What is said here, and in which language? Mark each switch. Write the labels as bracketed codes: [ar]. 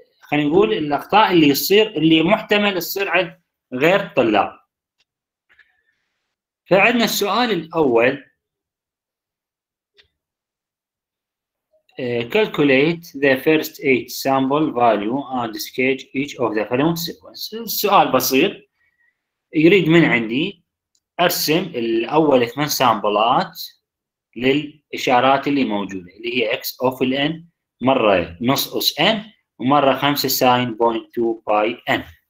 [ar] خلينا نقول الأخطاء اللي يصير اللي محتمل تصير عند غير الطلاب. فعندنا السؤال الأول [en] calculate the first eight sample value and sketch each of the following sequence. [ar] السؤال بسيط يريد من عندي أرسم الأول ثمان سامبلات للإشارات اللي موجودة اللي هي x of n مرة نص أس n ومرة 5 ساين بوينت 2 باي n.